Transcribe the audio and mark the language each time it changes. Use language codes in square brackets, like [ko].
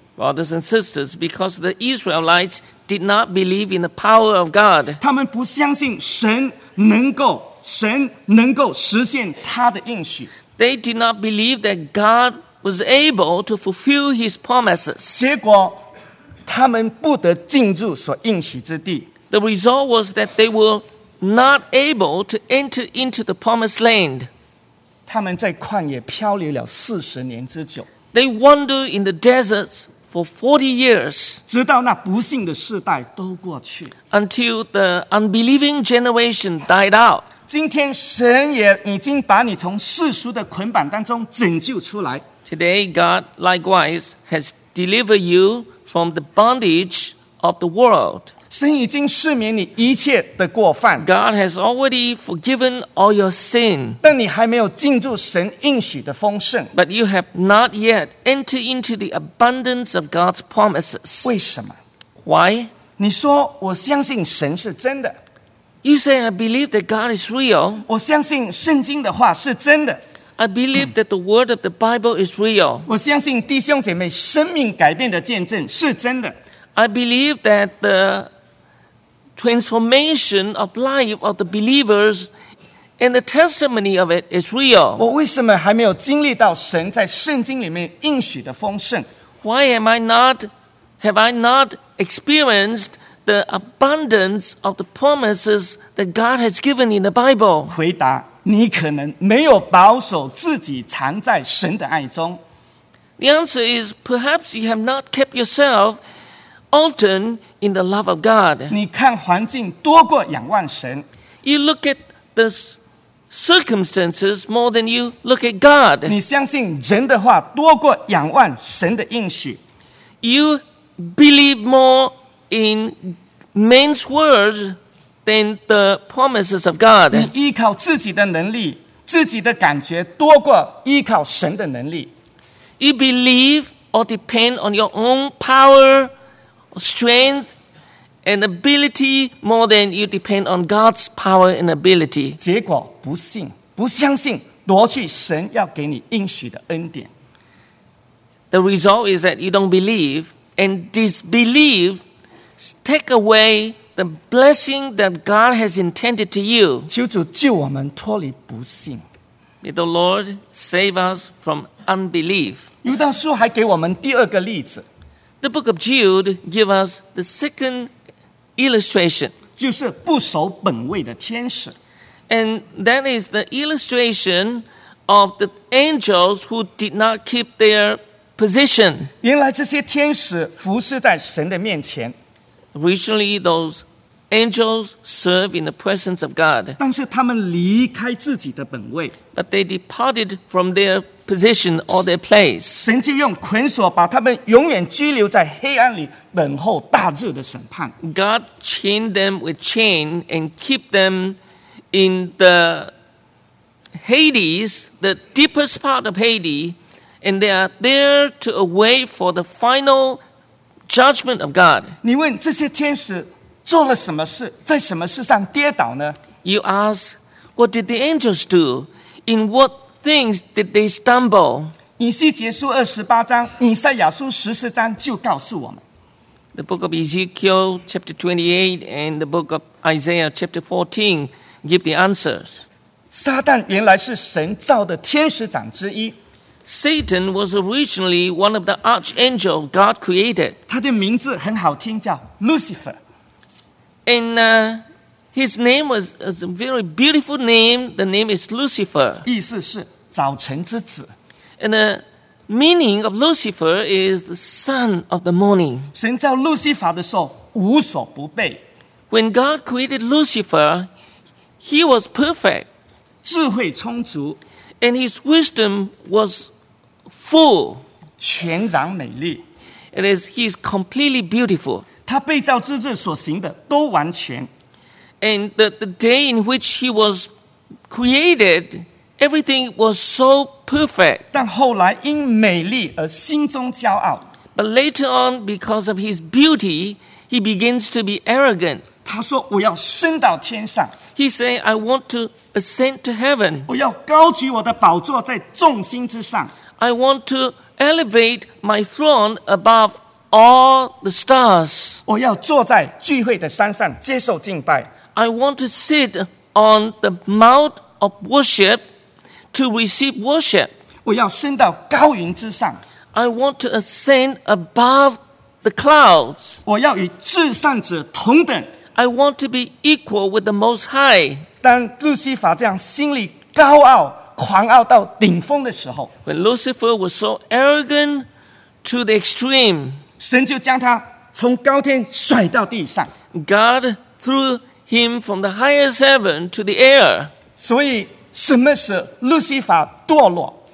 [en] Brothers and sisters, because the Israelites did not believe in the power of God. [zh] 他们不相信神能够实现他的应许。 [en] They did not believe that God was able to fulfill his promises. [zh] 结果，他们不得进入所应许之地。 [en] The result was that they were not able to enter into the promised land. [zh] 他们在旷野漂流了四十年之久。 [en] They wander in the deserts for 40 years. [zh] 直到那不幸的世代都过去。 [en] Until the unbelieving generation died out. [zh] 今天神也已经把你从世俗的捆绑当中拯救出来。 [en] Today, God likewise has delivered you from the bondage of the world. [zh] 神已经赦免你一切的过犯。 [en] God has already forgiven all your sin. [zh] 但你还没有进入神应许的丰盛。 [en] But you have not yet entered into the abundance of God's promises. [zh] 为什么？ [en] Why? [zh] 你说我相信神是真的。 [en] You say I believe that God is real. [zh] 我相信圣经的话是真的。 [en] I believe that the word of the Bible is real. [zh] 我相信弟兄姐妹生命改变的见证是真的。 [en] I believe that the transformation of life of the believers and the testimony of it is real. [zh] 我为什么还没有经历到神在圣经里面应许的丰盛？ [en] Why have I not experienced the abundance of the promises that God has given in the Bible? [zh] 回答，你可能没有保守自己藏在神的爱中。 [en] The answer is perhaps you have not kept yourselfOften in the love of God. [zh] 你看环境多过仰望神。 [en] You look at the circumstances more than you look at God. [zh] 你相信人的话多过仰望神的应许。 [en] You believe more in men's words than the promises of God. [zh] 你依靠自己的能力，自己的感觉多过依靠神的能力。 [en] You believe or depend on your own power. Strength and ability more than you depend on God's power and ability. [zh] 结果不信，不相信，夺去神要给你应许的恩典。 [en] The result is that you don't believe and disbelieve take away the blessing that God has intended to you. [zh] 求主救我们脱离不信。 [en] May the Lord save us from unbelief. [zh] 犹大书还给我们第二个例子。 [en] The book of Jude gives us the second illustration. [zh] 就是不守本位的天使。 [en] And that is the illustration of the angels who did not keep their position. [zh] 原来这些天使服侍在神的面前。 [en] Originally, those angels serve in the presence of God. [zh] 但是他们离开自己的本位。 [en] But they departed from their position or their place. [zh] 神就用捆锁把他们永远拘留在黑暗里，等候大日的审判。 [en] God chained them with chain and keep them in the Hades, the deepest part of Hades, and they are there to await for the final judgment of God. [zh] 你问这些天使做了什么事，在什么事上跌倒呢？ [en] You ask, what did the angels do? In what things did they stumble? [zh] 以西结书二十八章，以赛亚书十四章就告诉我们。 [en] The book of Ezekiel, chapter 28, and the book of Isaiah, chapter 14, give the answers. [zh] 撒旦原来是神造的天使长之一。 [en] Satan was originally one of the archangels God created. [zh] 他的名字很好听，叫 Lucifer. [en] And his name was a very beautiful name. The name is Lucifer. [zh] 意思是早晨之子。 [en] And the meaning of Lucifer is the son of the morning. [zh] 神造 Lucifer 的时候无所不备。 [en] When God created Lucifer, he was perfect. [zh] 智慧充足 [en] and his wisdom was full, [zh] 全然美丽 [en] it is, he is completely beautiful. [zh] 他被造之日所行的都完全 [en] and the day in which he was created, everything was so perfect. [zh] 但后来因美丽而心中骄傲 [en] but later on, because of his beauty, he begins to be arrogant. [zh] 他说我要升到天上。 [en] He said, I want to ascend to heaven. [zh] 我要高举我的宝座在众星之上。 [en] I want to elevate my throne above all the stars. [zh] 我要坐在聚会的山上接受敬拜。 [en] I want to sit on the mount of worship to receive worship. [zh] 我要升到高云之上。 [en] I want to ascend above the clouds. [zh] 我要与至上者同等。 [en] I want to be equal with the Most High. [zh] 当路西法这样心里高傲、狂傲到顶峰的时候 [en] ，When Lucifer was so arrogant to the extreme, [zh] 神就将他从高天甩到地上。 [en] God threw him from the highest heaven to the air. [zh] 所以什么使路西法堕落